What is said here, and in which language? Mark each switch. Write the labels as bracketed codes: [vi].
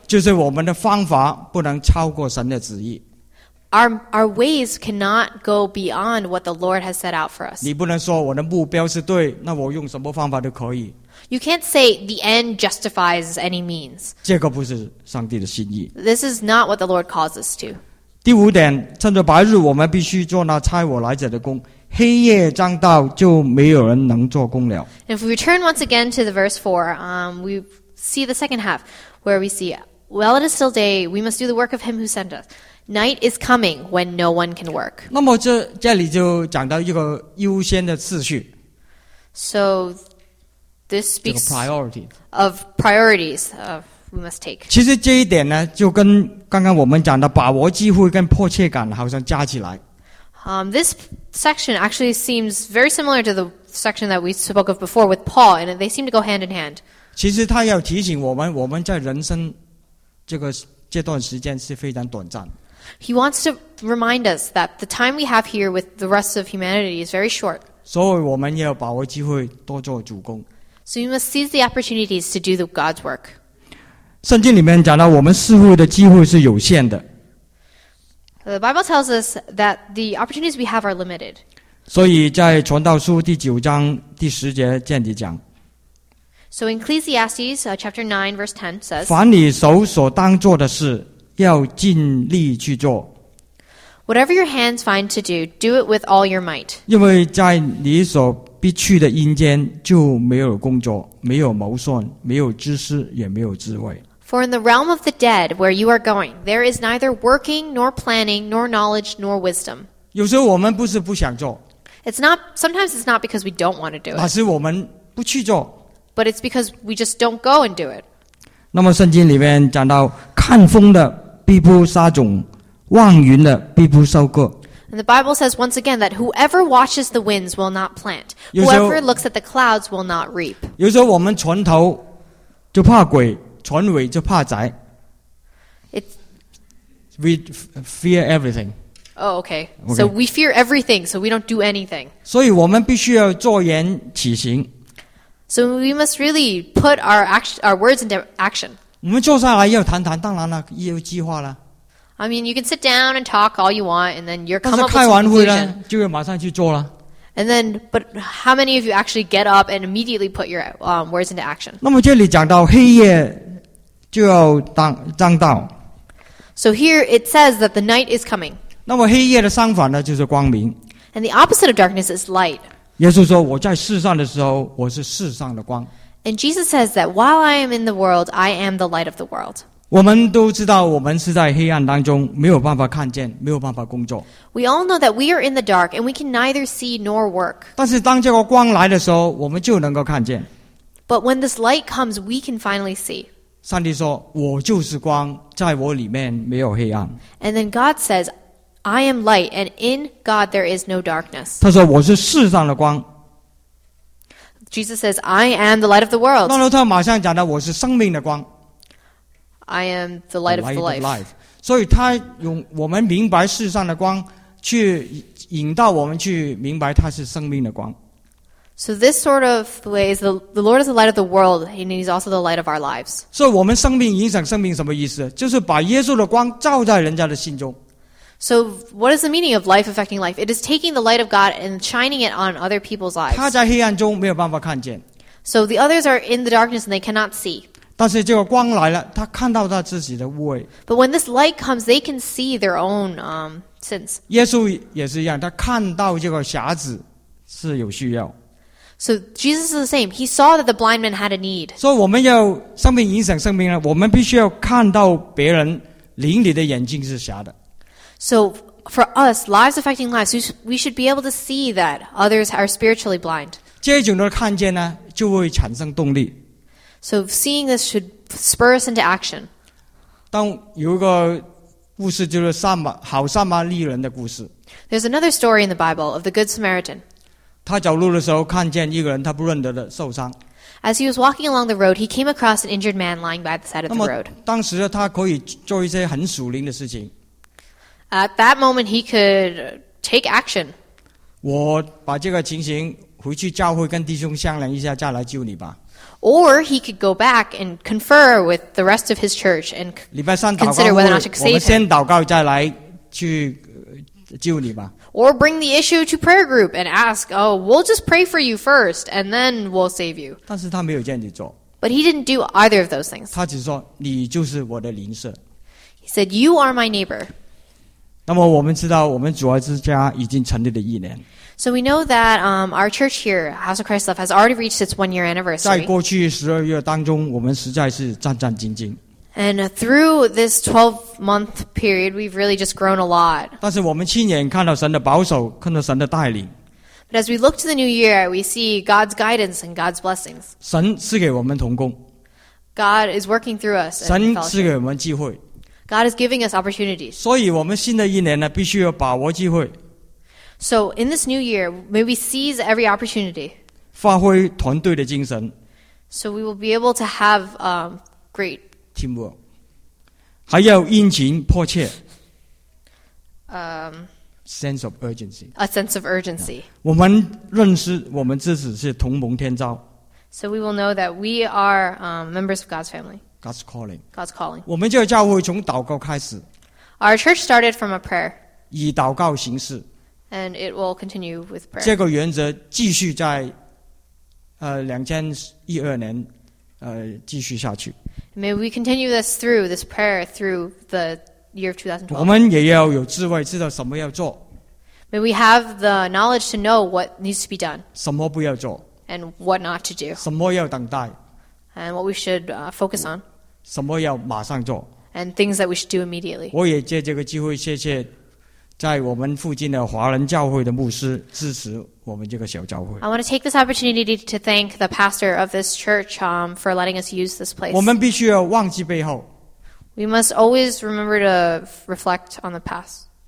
[zh] 就是我们的方法不能超过神的旨意。 [en] Our ways cannot go beyond what the Lord has set out for us. [zh] 你不能说我的目标是对，那我用什么方法都可以。 [en] You can't say the end justifies any means. [zh] 这个不是上帝的心意。 [en] This is not what the Lord calls us to. [zh] 第五点，趁着白日，我们必须做那差我来者的工。黑夜将到，就没有人能做工了。 [en] If we turn once again to the verse 4, we see the second half, where we see, while it is still day, we must do the work of him who sent us. Night is coming when no one can work. [zh] 那么这里就讲到一个优先的次序。 [en] So this speaks priority. Of priorities of we must take. [zh] 其实这一点呢，就跟刚刚我们讲的把握机会跟迫切感好像加起来。 [en] This section actually seems very similar to the section that we spoke of before with Paul, and they seem to go hand in hand. [zh] 其实他要提醒我们，我们在人生这段时间是非常短暂。 [en] He wants to remind us that the time we have here with the rest of humanity is very short. [zh] 所以我们要把握机会多做主工。 [en] So we must seize the opportunities to do God's work. [zh] 圣经里面讲到，我们似乎的机会是有限的。 [en] The Bible tells us that the opportunities we have are limited. [zh] 所以在传道书第九章第十节这里讲。 [en] So in Ecclesiastes chapter 9 verse 10 says, [zh] 凡你手所当做的事要尽力去做。 [en] Whatever your hands find to do, do it with all your might. [zh] 因为在你所必去的阴间就没有工作，没有谋算，没有知识，也没有智慧。 [en] For in the realm of the dead, where you are going, there is neither working, nor planning, nor knowledge, nor wisdom. [zh] 有时候我们不是不想做。 [en] Sometimes it's not because we don't want to do it. [zh] 而是我们不去做。 [en] But it's because we just don't go and do it. [zh] 那么圣经里面讲到，看风的必不撒种，望云的必不收割。 [en] And the Bible says once again that whoever watches the winds will not plant. Whoever looks at the clouds will not reap. [zh] 有时候我们船头就怕鬼。船尾就怕宅。 [en] We fear everything. Oh, okay. So we fear everything, so we don't do anything. [zh] 所以我们必须要坐言起行。 [en] So we must really put our words into action. [zh] 我们坐下来要谈谈，当然了，也有计划了。 [en] I mean, you can sit down and talk all you want, and then you're coming up with some conclusion. [zh] 但是开完会呢，就要马上去做了。 [en] And then, but how many of you actually get up and immediately put your words into action? [zh] 那么这里讲到黑夜就要将到。 [en] So here it says that the night is coming. [zh] 那么黑夜的相反呢，就是光明。 [en] And the opposite of darkness is light. [zh] 耶稣说，我在世上的时候，我是世上的光。 [en] And Jesus says that while I am in the world, I am the light of the world. [zh] 我们都知道，我们是在黑暗当中，没有办法看见，没有办法工作。 [en] We all know that we are in the dark, and we can neither see nor work. [zh] 但是当这个光来的时候，我们就能够看见。 [en] But when this light comes, we can finally see. [zh] 上帝说，我就是光，在我里面没有黑暗。 [en] And then God says, I am light, and in God there is no darkness. [zh] 他说，我是世上的光。 [en] Jesus says, I am the light of the world. [zh] 然后他马上讲到，我是生命的光。 [en] I am the light of the life. Life. [zh] 所以他用我们明白世上的光，去引导我们去明白他是生命的光。 [en] So this sort of way is the Lord is the light of the world, and He's also the light of our lives. [zh] 所以我们生命影响生命什么意思？就是把耶稣的光照在人家的心中。 [en] So what is the meaning of life affecting life? It is taking the light of God and shining it on other people's lives. [zh] 他在黑暗中没有办法看见。 [en] So the others are in the darkness and they cannot see. [zh] 但是这个光来了，他看到他自己的污秽。 [en] But when this light comes, they can see their own sins. [zh] 耶稣也是一样，他看到这个瞎子是有需要。 [en] So Jesus is the same. He saw that the blind man had a need. [zh] 所以我们要生命影响生命了，我们必须要看到别人灵里的眼睛是瞎的。 [en] So for us, lives affecting lives, we should be able to see that others are spiritually blind. [zh] 这种的看见呢，就会产生动力。 [en] So seeing this should spur us into action. [zh] 当有一个故事就是撒玛好撒玛利人的故事。 [en] There's another story in the Bible of the Good Samaritan. [zh] 他走路的时候看见一个人他不认得的受伤。 [en] As he was walking along the road, he came across an injured man lying by the side of the road. [zh] 那么当时他可以做一些很属灵的事情。 [en] At that moment, he could take action. [zh] 我把这个情形回去教会跟弟兄商量一下，再来救你吧。 [en] Or he could go back and confer with the rest of his church and consider whether or not to save him. [zh] 我们先祷告再来去救你吧。 [en] Or bring the issue to prayer group and ask, oh, we'll just pray for you first and then we'll save you. [zh] 但是他没有这样子做。 [en] But he didn't do either of those things. [zh] 他只说，你就是我的邻舍。 [en] He said, you are my neighbor. [zh] 那么我们知道，我们主爱之家已经成立了一年。 [en] So we know that our church here, House of Christ Love, has already reached its one-year anniversary. [zh] 在过去十二月当中，我们实在是战战兢兢。 [en] And through this 12-month period, we've really just grown a lot. [zh] 但是我们亲眼看到神的保守，看到神的带领。 [en] But as we look to the new year, we see God's guidance and God's blessings. [zh] 神赐给我们同工。 [en] God is working through us. [zh] 神赐给我们机会。 [en] God is giving us opportunities. [zh] 所以我们新的一年呢，必须要把握机会。 [en] So in this new year, may we seize every opportunity. [zh] 发挥团队的精神。 [en] So we will be able to have great teamwork. [zh] 还要殷勤迫切。 [en] Sense of urgency. A sense of urgency. [zh] 我们认识我们自己是同蒙天召。 [en] So we will know that we are members of God's family. God's calling. God's calling. [zh] 我们这个教会从祷告开始。 [en] Our church started from a prayer. [zh] 以祷告形式。 [en] And it will continue with prayer. [zh] 这个原则继续在2012年继续下去。 [en] May we continue this through this prayer through the year of 2012. [zh] 我们也要有智慧，知道什么要做。 [en] May we have the knowledge to know what needs to be done. [zh] 什么不要做。 [en] And what not to do. [zh] 什么要等待。 [en] And what we should focus on. [zh] 什么要马上做。 [en] And things that we should do immediately. [zh] 我也借这个机会谢谢在我们附近的华人教会的牧师支持我们这个小教会。 [en] I want to take this opportunity to thank the pastor of this church for letting us use this place. [zh] 我们必须要忘记背后。 [en] We must always remember to reflect on the past.